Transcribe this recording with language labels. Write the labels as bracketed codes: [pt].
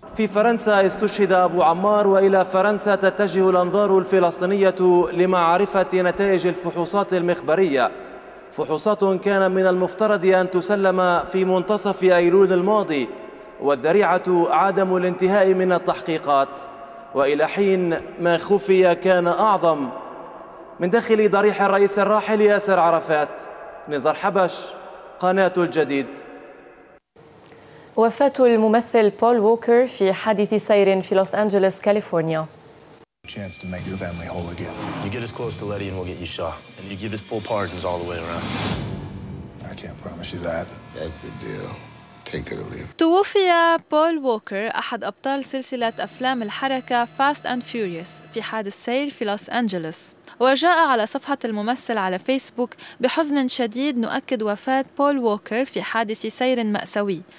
[ar] في فرنسا استشهد أبو عمار، وإلى فرنسا تتجه الأنظار الفلسطينية لمعرفة نتائج الفحوصات المخبرية، فحوصات كان من المفترض أن تسلم في منتصف أيلول الماضي والذريعة عدم الانتهاء من التحقيقات، وإلى حين ما خفي كان أعظم. من داخل ضريح الرئيس الراحل ياسر عرفات، نزار حبش، قناة الجديد. وفاة الممثل بول ووكر في حادث سير في لوس أنجلوس كاليفورنيا. [en] Chance to make your family whole again. You get us close to Letty and we'll get you Shaw. And you give us full pardons all the way around. I can't promise you that. That's the deal. Take it or leave. [ar] توفي بول ووكر أحد أبطال سلسلة أفلام الحركة Fast and Furious في حادث سير في لوس أنجلوس. وجاء على صفحة الممثل على فيسبوك: بحزن شديد نؤكد وفاة بول ووكر في حادث سير مأساوي.